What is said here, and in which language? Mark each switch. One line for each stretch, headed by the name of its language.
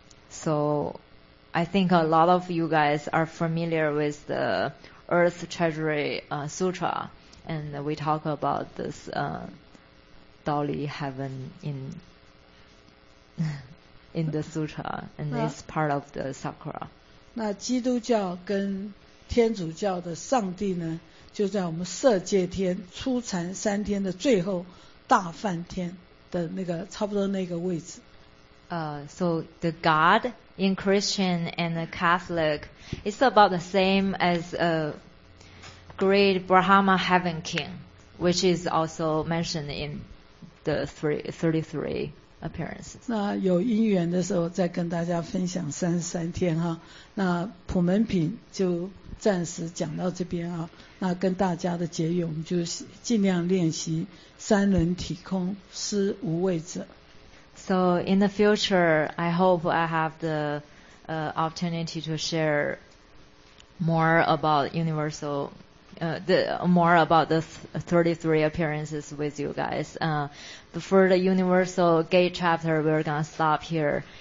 English: So I think a lot of you guys are familiar with the Earth Treasury Sutra, and we talk about this Dali heaven in the sutra, and it's part of the sakura.
Chinese: 那基督教跟天主教的上帝呢，就在我们色界天初禅三天的最后大梵天的那个差不多那个位置。
English: So the God in Christian and Catholic is about the same as a great Brahma heaven king, which is also mentioned in the 33. appearances.
Chinese: 那有因缘的时候再跟大家分享三十三天哈，那普门品就暂时讲到这边啊，那跟大家的结语我们就尽量练习三轮体空思无畏者。
English: So in the future I hope I have the opportunity to share more about universal more about the 33 appearances with you guys. For the universal gate chapter, we're going to stop here.